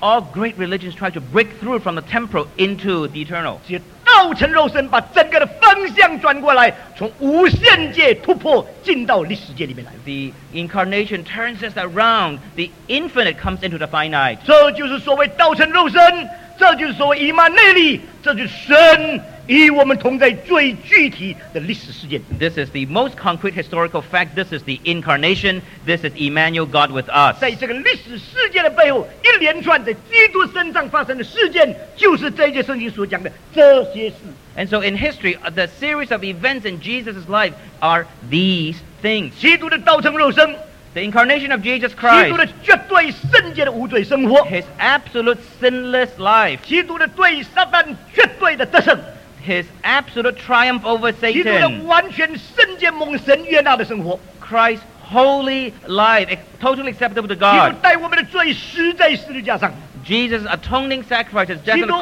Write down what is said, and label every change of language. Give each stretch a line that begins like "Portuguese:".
English: All great religions try to break through from the temporal into the eternal
Chinese: 道成肉身把整个的方向转过来从无限界突破进到历史界里面来
English: The incarnation turns us around The infinite comes into the finite
Chinese: 这就是所谓道成肉身这就是所谓以马内利这就是神与我们同在最具体的历史事件
English: This is the most concrete historical fact This is the incarnation This is Emmanuel God with us
Chinese: 在这个历史事件的背后一连串在基督身上发生的事件就是这些圣经所讲的这些事
English: And so in history, the series of events in Jesus' life are these things.
Chinese: 基督的道成肉身,
English: the incarnation of Jesus Christ.
Chinese: 基督的绝对圣洁的无罪生活,
English: his absolute sinless life.
Chinese: 基督的对撒旦绝对的得胜,
English: his absolute triumph over Satan.
Chinese: 基督的完全圣洁蒙神悦纳的生活,
English: Christ's holy life, totally acceptable to God.
Chinese: 基督带我们的罪死在十字架上,
English: Jesus' atoning sacrifice, his death on the cross.